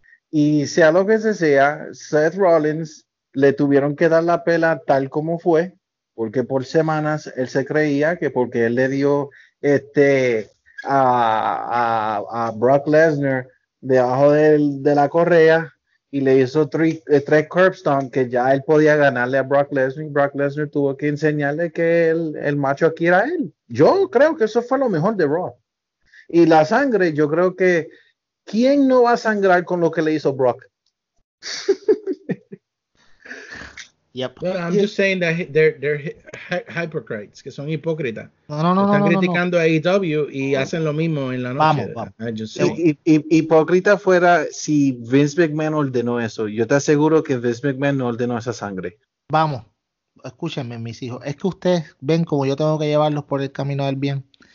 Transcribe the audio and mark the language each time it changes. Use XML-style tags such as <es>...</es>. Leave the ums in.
<es>Y sea lo que se sea, Seth Rollins le tuvieron que dar la pela tal como fue, porque por semanas él se creía que porque él le dio este a, a- a Brock Lesnar debajo del- de la correa y le hizo tri- eh, tres curb stomp que ya él podía ganarle a Brock Lesnar y Brock Lesnar tuvo que enseñarle que el, el macho aquí era él. Yo creo que eso fue lo mejor de Brock. Y la sangre, yo creo que ¿quién no va a sangrar con lo que le hizo Brock?</es> <en>Yep. Well, I'm just saying that they're, they're hy- hypocrites,</en> <es>que son hipócritas. No, no, no, no. Están no, no, no. criticando a AEW y hacen lo mismo en la noche. Vamos, vamos.</es> <en>I just saying.</en> <es>Hi- hi- Hipócrita fuera si Vince McMahon ordenó eso. Yo te aseguro que Vince McMahon no ordenó esa sangre. Vamos, escúchenme, mis hijos. Es que ustedes ven como yo tengo que llevarlos por el camino del bien.</es>